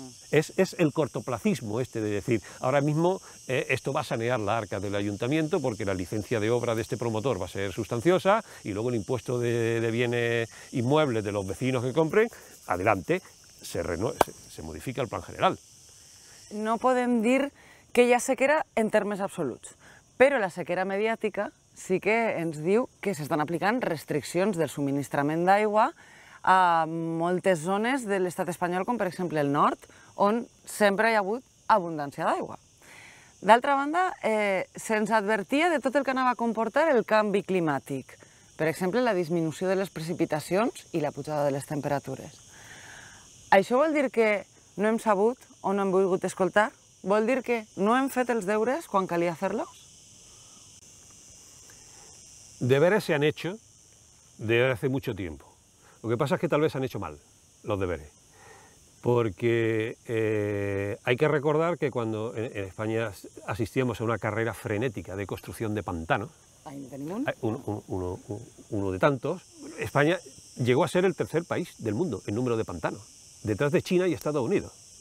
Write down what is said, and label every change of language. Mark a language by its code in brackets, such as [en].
[es] Es el cortoplacismo este de decir, ahora mismo esto va a sanear la arca del ayuntamiento porque la licencia de obra de este promotor va a ser sustanciosa y luego el impuesto de bienes inmuebles de los vecinos que compren, adelante, se modifica el plan general. No pueden decir que [ca] hi ha sequera en termes absoluts, pero la sequera mediática sí que ens diu que s'estan aplicant restriccions del subministrament d'aigua a moltes zones de l'estat espanyol, com per exemple el nord, on sempre hi ha hagut abundància d'aigua. D'altra banda, se'ns advertia de tot el que anava a comportar el canvi climàtic, per exemple la disminució de les precipitacions i la pujada de les temperatures. Això vol dir que no hem sabut o no hem volgut escoltar? Vol dir que no hem fet els deures quan calia fer-los? [es] Deberes se han hecho desde hace mucho tiempo. Lo que pasa es que tal vez se han hecho mal los deberes, porque hay que recordar que cuando en España asistíamos a una carrera frenética de construcción de pantanos, uno de tantos, España llegó a ser el tercer país del mundo en número de pantanos, detrás de China y Estados Unidos.